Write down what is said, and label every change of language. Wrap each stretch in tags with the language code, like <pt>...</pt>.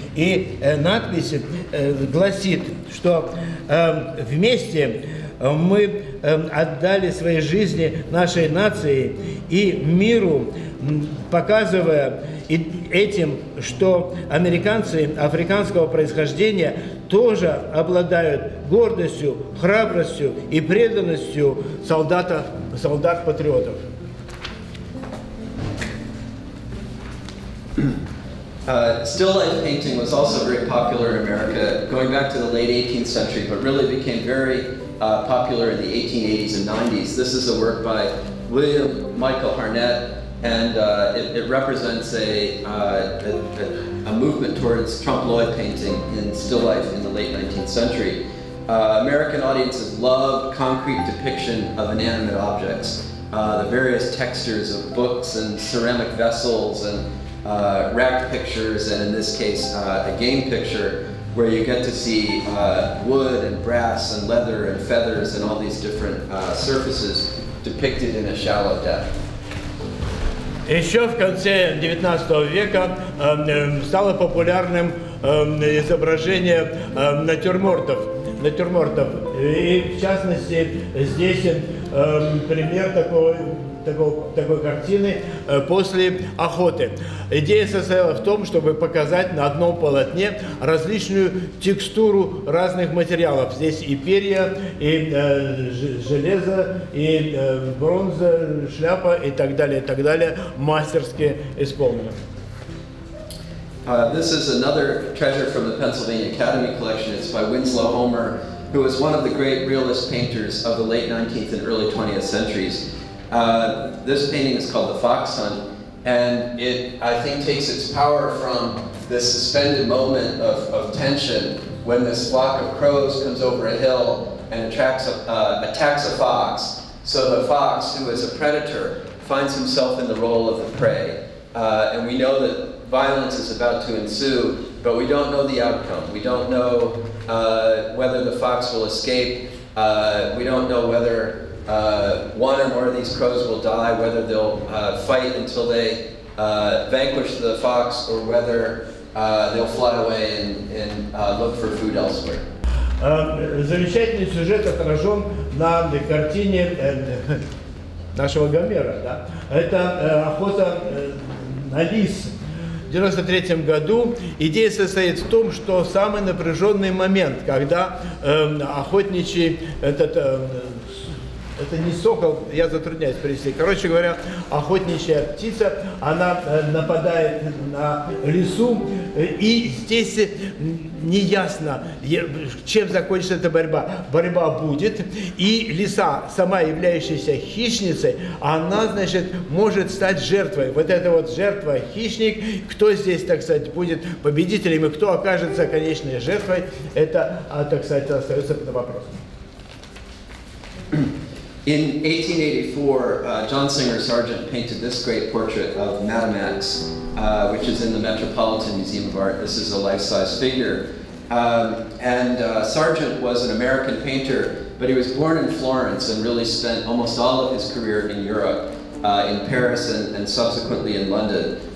<ru>И надпись гласит, что вместе мы отдали свои жизни нашей нации и миру, показывая этим, что американцы африканского происхождения тоже обладают гордостью, храбростью и преданностью солдат-патриотов.</ru> <en>Still life painting was also very popular in America, going back to the late 18th century, but really became very popular in the 1880s and 90s. This is a work by William Michael Harnett, and it represents a movement towards Trump Lloyd painting in still life in the late 19th century. American audiences love concrete depiction of inanimate objects, the various textures of books and ceramic vessels and rack pictures, and in this case, a game picture, where you get to see wood and brass and leather and feathers and all these different surfaces depicted in a shallow depth.</en> <ru>Еще в конце 19 века стало популярным изображение натюрмортов. И в частности, здесь пример такой картины после охоты. Идея состояла в том, чтобы показать на одном полотне различную текстуру разных материалов. Здесь и перья, и железо, и бронза, шляпа, и так далее, и так далее. Мастерски исполнено.</ru> <en>This is another treasure from the Pennsylvania Academy collection. It's by Winslow Homer, who was one of the great realist painters of the late 19th and early 20th centuries. This painting is called The Fox Hunt, and it, I think, takes its power from this suspended moment of tension when this flock of crows comes over a hill and attacks a fox. So the fox, who is a predator, finds himself in the role of the prey. And we know that violence is about to ensue, but we don't know the outcome. We don't know whether the fox will escape. We don't know whether one or more of these crows will die, whether they'll fight until they vanquish the fox, or whether they'll fly away and look for food elsewhere.</en> <ru>Замечательный сюжет отражен на картине нашего Гомера, да? Это охота на лис. В 93-м году идея состоит в том, что самый напряженный момент, когда охотничий этот... Это не сокол, я затрудняюсь привести. Короче говоря, охотничья птица, она нападает на лису, и здесь не ясно, чем закончится эта борьба. Борьба будет, и лиса, сама являющаяся хищницей, она, значит, может стать жертвой. Вот эта вот жертва, хищник, кто здесь, так сказать, будет победителем, и кто окажется конечной жертвой, это, так сказать, остается под вопросом.</ru> <en>In 1884, John Singer Sargent painted this great portrait of Madam X, which is in the Metropolitan Museum of Art. This is a life-size figure. And Sargent was an American painter, but he was born in Florence and really spent almost all of his career in Europe, in Paris and subsequently in London.</en>